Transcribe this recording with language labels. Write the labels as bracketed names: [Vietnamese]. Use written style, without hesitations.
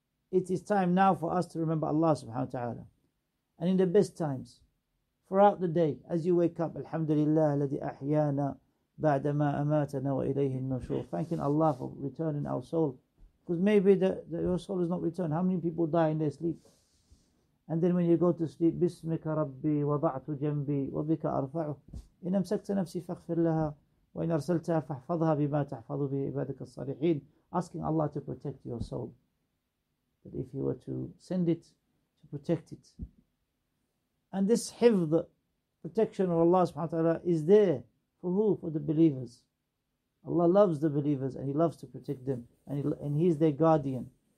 [English] It is time now for us to remember Allah subhanahu wa ta'ala. And in the best times, throughout the day, as you wake up, [Arabic] Alhamdulillah, aladhi ahyana, بعدما أماتنا وإليه النشور. [English] Thanking Allah for returning our soul. Because maybe your soul is not returned. How many people die in their sleep? And then when you go to sleep, [Arabic] بسمك ربي وضعت جنبي وبك أرفعه. إن أمسكت نفسي فاغفر لها وإن أرسلتها فاحفظها بما تحفظ به عبادك الصالحين. [English] Asking Allah to protect your soul. That if you were to send it, to protect it. And this hifdh, protection of Allah subhanahu wa ta'ala, is there. For who? For the believers. Allah loves the believers and He loves to protect them. And He's their guardian.